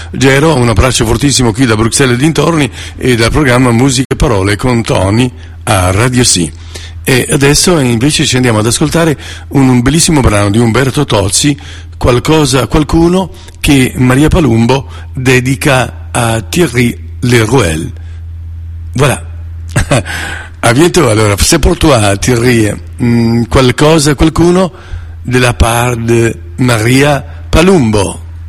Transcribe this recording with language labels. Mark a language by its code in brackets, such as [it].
[it] Gero, un abbraccio fortissimo qui da Bruxelles e dintorni e dal programma Musica e Parole con Tony a Radio Sì. E adesso invece ci andiamo ad ascoltare un bellissimo brano di Umberto Tozzi, qualcuno che Maria Palumbo dedica a Thierry Le Rouel. [fr] Voilà. A bientôt, [it] allora, [fr] c'est pour toi, Thierry. Qualcosa, qualcuno de la part de Maria Palumbo.